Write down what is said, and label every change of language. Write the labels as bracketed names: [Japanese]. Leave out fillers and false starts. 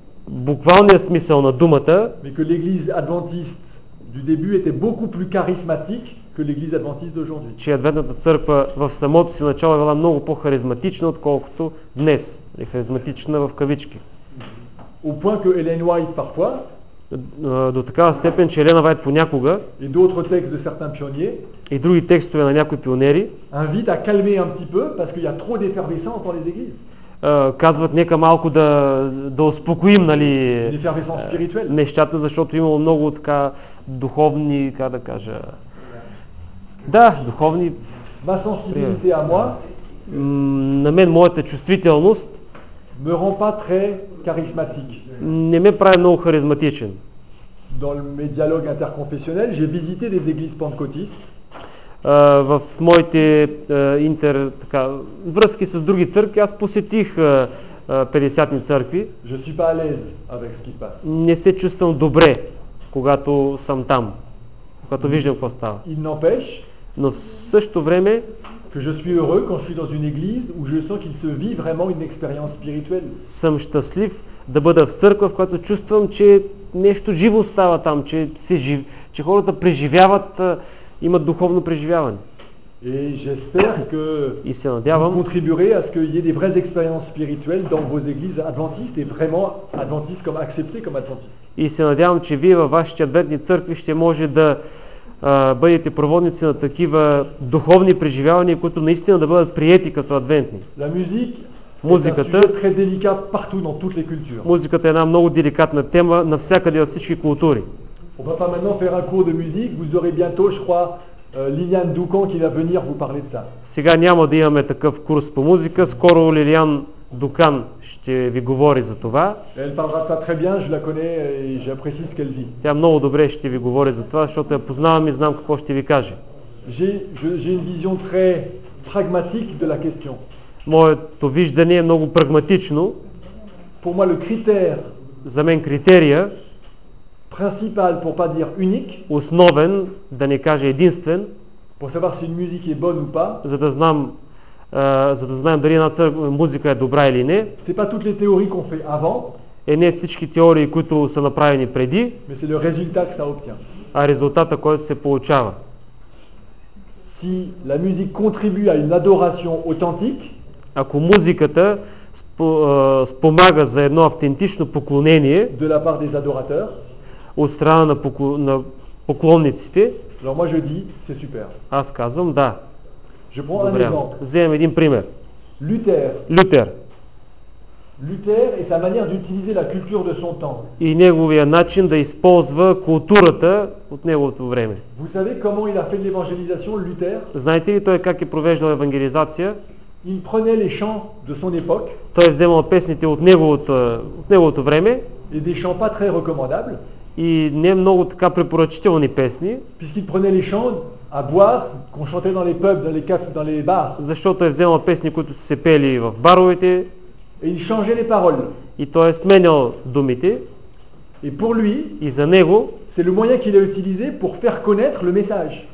[Bulgarian] буквалния смисъл на думата, [French] mais que l'église adventiste du début était beaucoup plus charismatique que l'église adventiste d'aujourd'hui. [Bulgarian] Че адвентната църква в самото си начало била много по-харизматична отколкото днес, е харизматична в кавички. [French] Au point que Ellen White parfois [Bulgarian] до такава степен, че Елена Вайт понякога и [French] d'autres textes de certains pionniers [Bulgarian] и други текстове на някои пионери [French] invite à calmer un petit peu parce qu'il y a trop d'effervescence dans les églises. [Bulgarian] Казват нека малко да, да успокоим, нали, нещата, защото имало много така духовни, как да кажа. Да, духовни. [French] Ma sensibilité à moi, [Bulgarian] на мен моята чувствителност [French] me rend pas très charismatique. [Bulgarian] Не ме прави много харизматичен. [French] Dans mes dialogues interconfessionnels, j'ai visité des églises pentecôtistes. [Bulgarian] В моите интер, така, връзки с други църкви, аз посетих 50-ни църкви. [French] Je suis pas à l'aise avec ce qui se passe. [Bulgarian] Не се чувствам добре, когато съм там, когато виждам какво става. [French] Il n'empêche, [Bulgarian] но в същото време, [French] que je suis heureux quand je suis dans une église où je sens qu'il se vit vraiment une expérience spirituelle. [Bulgarian] Съм щастлив да бъда в църква, в която чувствам, че нещо живо става там, че се жив, че хората преживяват, имат духовно преживяване. [French] Et j'espère que [Bulgarian] и се надявам, [French] contribuerez à ce qu'il y ait des vraies expériences spirituelles dans vos églises adventistes et vraiment adventistes comme acceptées comme adventistes. [Bulgarian] И се надявам, че вие във вашите адвентни църкви ще може да бъдете проводници на такива духовни преживявания, които наистина да бъдат приети като адвентни. [French] La musique, [Bulgarian] музиката, [French] est un sujet très délicat partout dans toutes les cultures. [Bulgarian] Музиката е една много деликатна тема навсякъде във всички култури. [French] On va pas maintenant faire un cours de musique, vous aurez bientôt, je crois, Liliane Ducan qui va venir vous parler de ça. [Bulgarian] Сега няма да имаме такъв курс по музика, скоро Лилиан Дукан ще ви говори за това. [French] Elle parlera ça très bien, je la connais et j'apprécie ce qu'elle dit. [Bulgarian] Тя много добре ще ви говори за това, защото я познавам и знам какво ще ви каже. [French] J'ai une vision très pragmatique de la question. [Bulgarian] Моето виждане е много прагматично. [French] Pour moi le critère, [Bulgarian] за мен критерия [French] principal pour pas dire unique, [Bulgarian] основен, да не кажа единствен, [French] pour savoir si une musique est bonne ou pas, [Bulgarian] за да знам за да знаем дали една музика е добра или не. [French] C'est pas toutes les théories qu'on fait avant, [Bulgarian] е не всички теории, които са направени преди, [French] mais c'est le résultat que ça obtient, [Bulgarian] а резултата, който се получава. [French] Si la musique contribue à une adoration authentique, [Bulgarian] ако музиката спомага за едно автентично поклонение [French] de la part des adorateurs, [Bulgarian] от страна на, на поклонниците, [French] alors moi je dis, c'est super. [Bulgarian] Аз казвам да. [French] Je prends un exemple. [Bulgarian] Вземем един пример. Лютер. Лютер. [French] Лютер и sa manière d'utiliser la culture de son temps. [Bulgarian] И неговия начин да използва културата от неговото време. [French] Vous savez comment il a fait l'évangélisation, Лютер? [Bulgarian] Знаете ли той как е провеждал евангелизация? [French] Il prenait les chants de son époque. [Bulgarian] Той е вземал песните от неговото, от неговото време. [French] Et des chants pas très recommandables. [Bulgarian] И не много така препоръчителни песни. [French] Puisqu'il prenait les chants à boire, qu'on chantait dans les pubs, dans les cafés, dans les bars. [Bulgarian] Защото е вземал песни, които се пели в баровете. [French] Et il changeait les paroles. [Bulgarian] И той е сменял думите. [French] Et pour lui, [Bulgarian] и за него, [French] c'est le moyen qu'il a utilisé pour faire connaître le message.